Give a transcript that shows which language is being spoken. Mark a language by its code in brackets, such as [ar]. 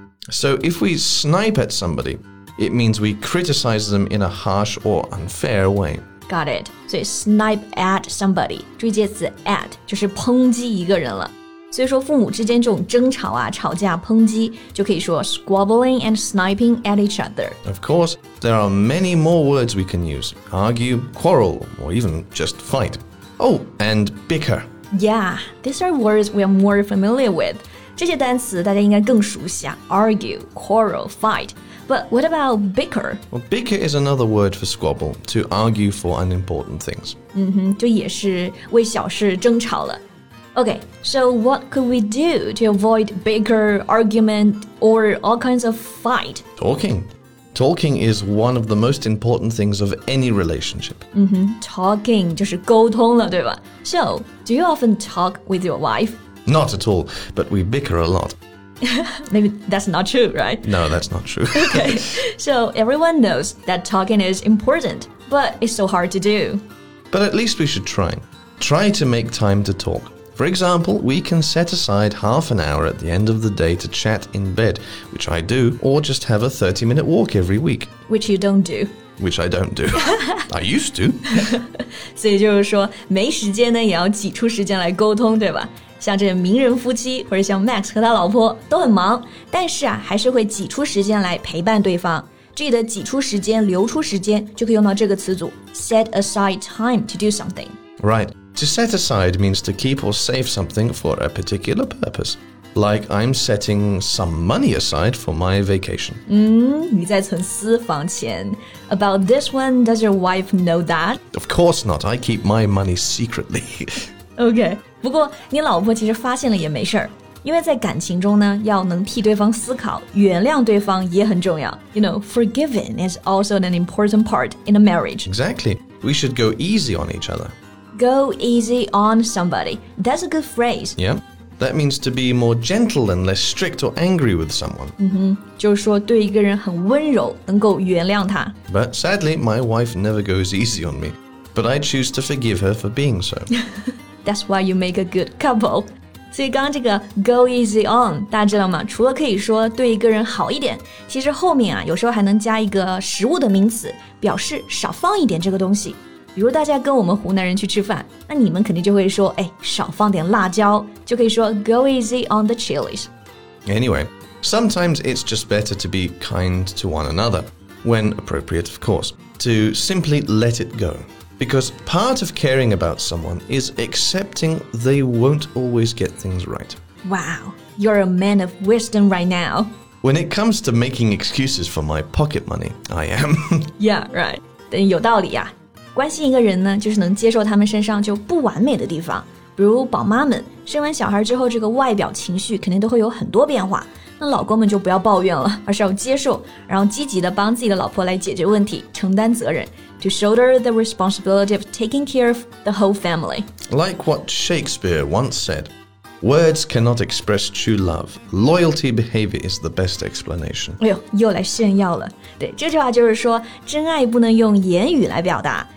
[en] So if we snipe at somebody... It means we criticize them in a harsh or unfair way. Got it. So snipe at somebody. [zh] 注意介词 at 就是抨击一个人了。所以说父母之间这种争吵啊、吵架、抨击，就可以说 [en] squabbling and sniping at each other. Of course, there are many more words we can use. Argue, quarrel, or even just fight. Oh, and bicker. Yeah, these are words we are more familiar with. [zh] 这些单词大家应该更熟悉啊。 [en] Argue, quarrel, fight. But what about bicker? Well, bicker is another word for squabble, to argue for unimportant things. [zh] Mm-hmm, 就也是为小事争吵了。 [en] Okay, so what could we do to avoid bicker, argument, or all kinds of fight? Talking. Talking is one of the most important things of any relationship. [zh] Mm-hmm, talking 就是沟通了，对吧？ [en] So, do you often talk with your wife? Not at all, but we bicker a lot. Maybe that's not true, right? No, that's not true. Okay, so everyone knows that talking is important. but it's so hard to do. But at least we should try. Try to make time to talk. For example, we can set aside half an hour at the end of the day to chat in bed, which I do, or just have a 30-minute walk every week. Which you don't do. Which I don't do. I used to. [zh] 所以就是说没时间呢也要挤出时间来沟通对吧像这名人夫妻或者像 Max 和他老婆都很忙但是啊还是会挤出时间来陪伴对方。这里的挤出时间留出时间就可以用到这个词组 [en] set aside time to do something. Right. To set aside means to keep or save something for a particular purpose. Like I'm setting some money aside for my vacation. [zh] 你在存私房钱。 [en] About this one, does your wife know that? Of course not. I keep my money secretly. Okay. [zh] 不过你老婆其实发现了也没事儿。因为在感情中呢要能替对方思考原谅对方也很重要。 [en] You know, forgiving is also an important part in a marriage. Exactly. We should go easy on each other. Go easy on somebody. That's a good phrase. Yep. That means to be more gentle and less strict or angry with someone. [zh] 就是说对一个人很温柔能够原谅他。 [en] But sadly, my wife never goes easy on me. But I choose to forgive her for being so. That's why you make a good couple. 所以刚刚这个 go easy on, 大家知道吗除了可以说对一个人好一点其实后面啊有时候还能加一个食物的名词表示少放一点这个东西。比如大家跟我们湖南人去吃饭那你们肯定就会说哎，少放点辣椒就可以说 go easy on the chilies. Anyway, sometimes it's just better to be kind to one another, when appropriate, of course, to simply let it go. Because part of caring about someone is accepting they won't always get things right. Wow, you're a man of wisdom right now. When it comes to making excuses for my pocket money, I am. Yeah, right. [zh] 等于有道理啊。关心一个人呢就是能接受他们身上就不完美的地方。比如宝妈们生完小孩之后这个外表情绪肯定都会有很多变化。那老公们就不要抱怨了而是要接受然后积极地帮自己的老婆来解决问题承担责任。 [en] To shoulder the responsibility of taking care of the whole family. Like what Shakespeare once said, words cannot express true love. Loyalty behavior is the best explanation. [zh] 哎呦又来炫耀了。对这句话就是说真爱不能用言语来表达。